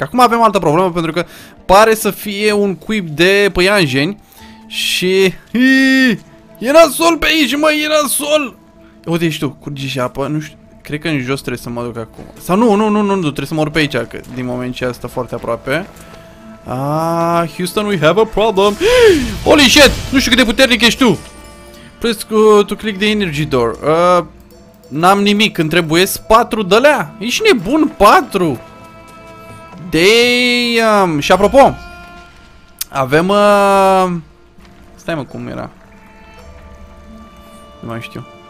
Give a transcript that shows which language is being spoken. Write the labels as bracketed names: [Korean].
[Romanian] Acum avem altă problemă, pentru că pare să fie un cuib de păianjeni și... E nasol pe aici, mă, e nasol! Uite, ești tu, curge și apă, nu știu, cred că în jos trebuie să mă duc acum. Sau nu, trebuie să mă urc pe aici, că din moment ce asta foarte aproape. [English] Ah, Houston, we have a problem! Holy shit! [Romanian] Nu știu cât de puternic ești tu! [English] Press to click the energy door. [Romanian] N-am nimic, îmi trebuie 4 de-alea. Ești nebun, 4. Damn. Și apropo, avem stai mă, cum era? Nu mai știu.